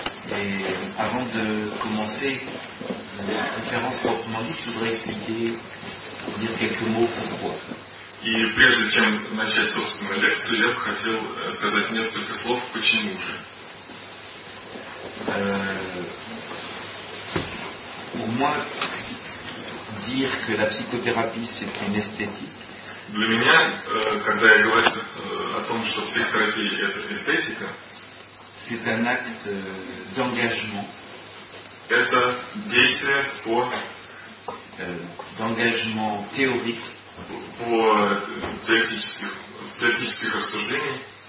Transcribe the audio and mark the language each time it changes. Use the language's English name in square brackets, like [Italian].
[French] Et avant de commencer la conférence proprement dite, je voudrais expliquer, dire quelques mots pourquoi. [Russian] И прежде чем начать собственную лекцию, я бы хотел сказать несколько слов, почему же. [French] Pour moi, dire que la psychothérapie c'est une esthétique. [Russian] Для меня, когда я говорю о том, что психотерапия это эстетика, [French] c'est un acte d'engagement. [Russian] Это действие по [French] d'engagement théorique. [Russian] По теоретических рассуждений